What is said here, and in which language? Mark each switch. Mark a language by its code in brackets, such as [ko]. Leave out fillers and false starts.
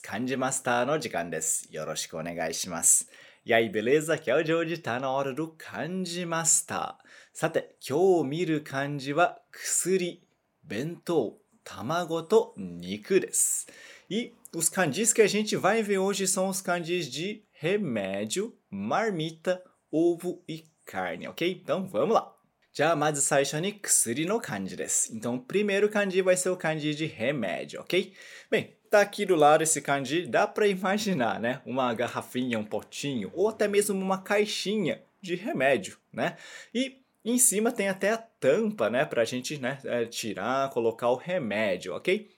[ja] 漢字マスターの時間です。よろしくお願いします。やいベレーザ今日ジョージ頼われる漢字マスター。さて今日見る漢字は薬、弁当、卵と肉です。 [pt] E os kanjis que a gente vai ver hoje são os kanjis de remédio, marmita, ovo e carne, ok? Então vamos lá! [ja] じゃあまず最初に薬の漢字です。 [pt] Então, primeiro kanji vai ser o kanji de remédio, ok? Bem, tá aqui do lado esse kanji, dá pra imaginar, né? Uma garrafinha, um potinho, ou até mesmo uma caixinha de remédio, né? E em cima tem até a tampa, né? Pra gente, né, tirar, colocar o remédio, ok?